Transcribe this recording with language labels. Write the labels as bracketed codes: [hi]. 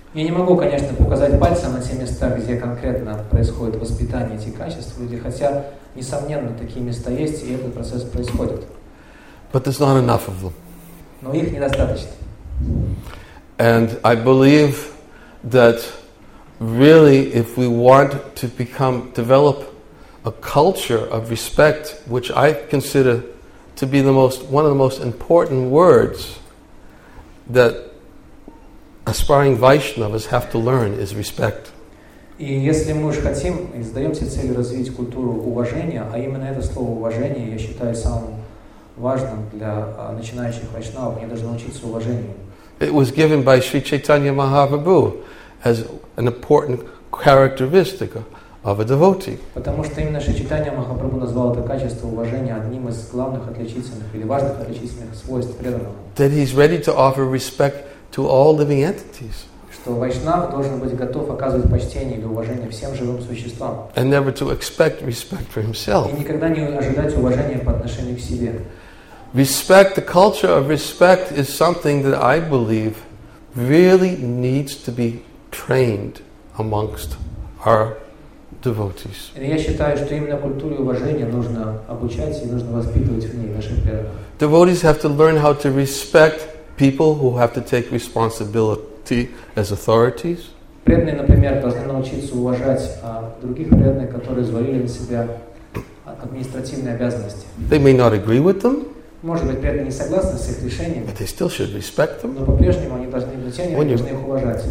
[ru] Я не могу, конечно, показать пальцем на те места, где конкретно происходит воспитание этих качеств людей, хотя, несомненно, такие места есть, и этот процесс происходит. [en] But there's not enough of them. [ru] Но их недостаточно. [en] And I believe that really, if we want to develop a culture of respect, which I consider to be one of the most important words that aspiring Vaishnavas have to learn is respect. [ru] И если мы уж хотим, и задаемся целью развить культуру уважения, а именно это слово уважение, я считаю самым важным для начинающих вайшнавов, они должны учиться уважению. [en] It was given by Sri Chaitanya Mahaprabhu as an important characteristic of a devotee. [ru] Потому что именно Шичитания Махапрабху назвал это качество уважения одним из главных отличительных или важных отличительных свойств преданного. [en] That he's ready to offer respect to all living entities. [ru] Что вайшнав должен быть готов оказывать почтение или уважение всем живым существам. [en] And never to expect respect for himself. [ru] И никогда не ожидать уважения по отношению к себе. [en] Respect, the culture of respect is something that I believe really needs to be trained amongst our devotees. [ru] Я считаю, что именно культуре уважения нужно обучать и нужно воспитывать в ней наших преданных. [en] Devotees have to learn how to respect people who have to take responsibility as authorities. [ru] Преданные, например, должны научиться уважать других преданных, которые взвалили на себя административные обязанности. [en] They may not agree with them. [ru] Может быть, преданные не согласны с их решением. [en] But they still should respect them. [ru] Но по-прежнему они должны уважать, они должны их уважать.